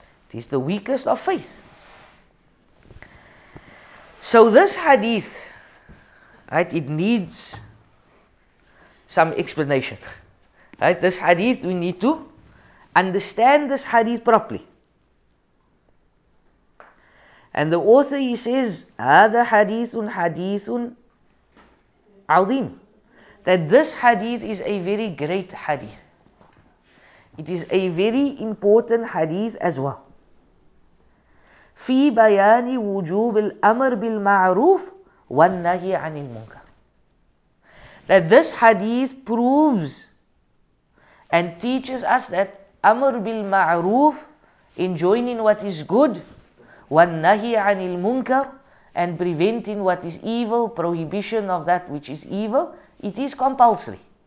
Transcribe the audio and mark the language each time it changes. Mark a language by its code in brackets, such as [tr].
[en] It is the weakest of faith. So this hadith, right, it needs some explanation. Right, this hadith we need to understand this hadith properly. And the author, he says, [ar] هذا حديث حديث عظيم. [en] That this hadith is a very great hadith. It is a very important hadith as well. [ar] في بيان وجوب الأمر بالمعروف والنهي عن المنكر. [en] That this hadith proves and teaches us that Amr bil ma'roof, enjoining what is good, wan nahi anil munkar, and preventing what is evil, prohibition of that which is evil, it is compulsory.